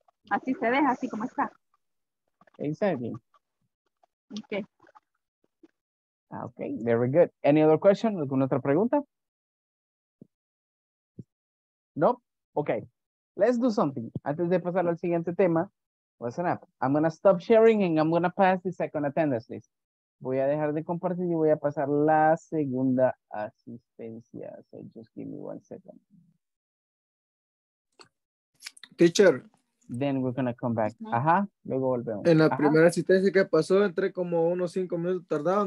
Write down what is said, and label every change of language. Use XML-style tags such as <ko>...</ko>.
<es>Así se deja, así como está.</es> <en>Exactly. Okay. Okay, very good. Any other question?</en> <es>¿Alguna otra pregunta?</es> <en>No? Okay. Let's do something.</en> <es>Antes de pasar al siguiente tema,</es> <en>listen up. I'm going to stop sharing and I'm going to pass the second attendance list.</en> <es>Voy a dejar de compartir y voy a pasar la segunda asistencia.</es> <en>So just give me one second. Teacher. Then we're going to come back. Ajá.</en> <es>Luego volvemos. En la primera asistencia que pasó, entré como unos 5 minutos tardado.</es>